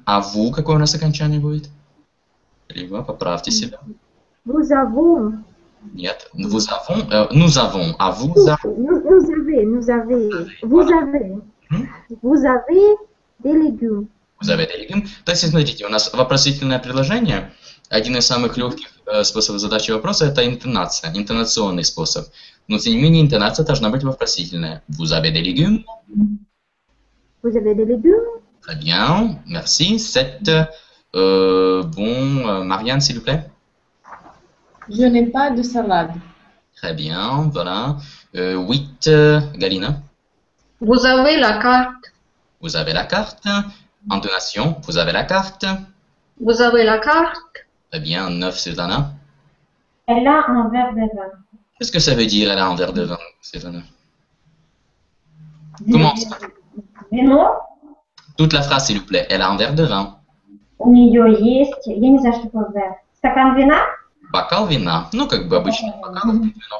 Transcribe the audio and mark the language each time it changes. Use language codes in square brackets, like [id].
[ru] А «ву» какое у нас окончание будет? Люба, поправьте себя. [fr] Vous avons. [ru] Нет, [fr] nous avons, nous avons, [ru] а [fr] vous avez. Vous avez des légumes. [ru] То есть, смотрите, у нас вопросительное предложение. Один из самых легких способов задачи вопроса – это интонация, интонационный способ. Но, тем не менее, интонация должна быть вопросительная. [fr] Vous avez des légumes? Vous avez des légumes? Très bien, merci. Cette, bon, Marianne, s'il vous plaît. Je n'ai pas de salade. Très bien, voilà. Huit, Galina. Vous avez la carte. Vous avez la carte. Intonation, vous avez la carte. Vous avez la carte. Très bien, neuf, Susanna. Elle a un verre de vin. Qu'est-ce que ça veut dire, elle a un verre de vin, Susanna? Comment ça? Mais non. Toute la phrase, s'il vous plaît. Elle a un verre de vin. [ru] У нее есть, я не знаю, что такое verre. Стакан вина? Бокал вина. Ну, как бы обычно, бокал вина.